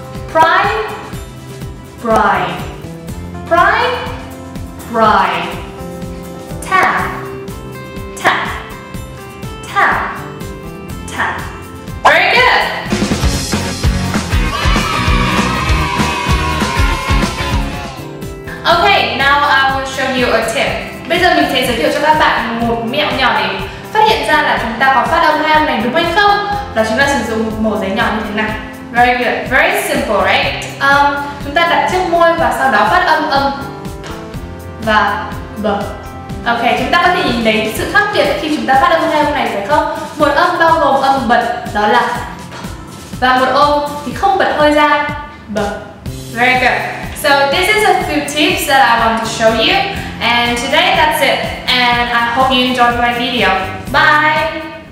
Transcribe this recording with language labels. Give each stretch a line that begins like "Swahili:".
English: Pride, bride, pride, bride. Tap, tap, tap, tap. Very good. Okay, now I will show you a tip.
Vietnamese: Bây giờ mình sẽ giới thiệu cho các bạn một mẹo nhỏ để phát hiện ra là chúng ta có phát âm hai âm này đúng hay không. Đó chính là sử dụng một mẩu giấy nhỏ như thế này. Very good, very simple, right? Chúng ta đặt trước môi và sau đó phát âm âm và b. Okay, chúng ta có thể nhìn thấy sự khác biệt khi chúng ta phát âm hai âm này phải không? Một âm bao gồm âm bật, đó là và một âm thì không bật hơi ra, b.
English: Very good. So this is a few tips that I want to show you. And today that's it. And I hope you enjoyed my video. Bye!